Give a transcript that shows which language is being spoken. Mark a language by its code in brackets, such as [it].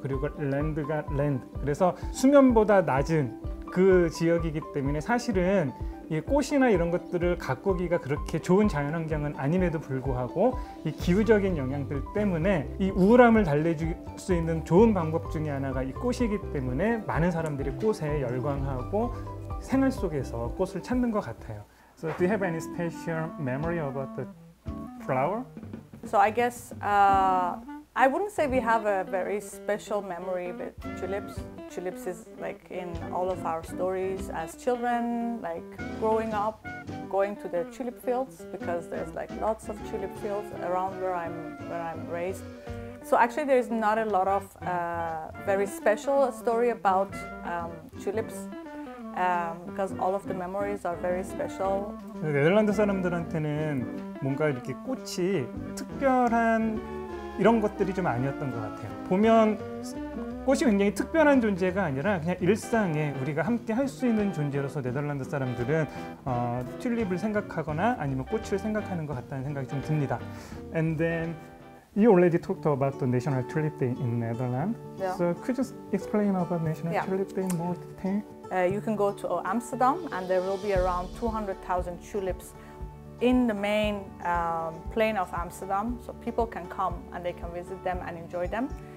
[ko] 그리고 랜드가 랜드. 그래서 수면보다 낮은 그 지역이기 때문에 사실은 이 꽃이나 이런 것들을 가꾸기가 그렇게 좋은 자연환경은 아님에도 불구하고 이 기후적인 영향들 때문에 이 우울함을 달래줄 수 있는 좋은 방법 중에 하나가 이 꽃이기 때문에 많은 사람들이 꽃에 열광하고 생활 속에서 꽃을 찾는 것 같아요. [en] So do you have any special memory about the flower? So I guess I wouldn't say we have a very special memory with tulips. Tulips is like in all of our stories as children, like growing up, going to the tulip fields because there's like lots of tulip fields around where I'm raised. So actually there's not a lot of very special story about tulips because all of the memories are very special. [ko] 네덜란드 사람들한테는 뭔가 이렇게 꽃이 특별한 이런 것들이 좀 아니었던 것 같아요. 보면 꽃이 굉장히 특별한 존재가 아니라 그냥 일상에 우리가 함께 할 수 있는 존재로서 네덜란드 사람들은 튤립을 생각하거나 아니면 꽃을 생각하는 것 같다는 생각이 좀 듭니다. [en] And then you already talked about the National Tulip Day in Netherlands. Yeah. So could you explain about National yeah. Tulip Day in more detail? You can go to Amsterdam and there will be around 200,000 tulips in the main plain of Amsterdam, so people can come and they can visit them and enjoy them.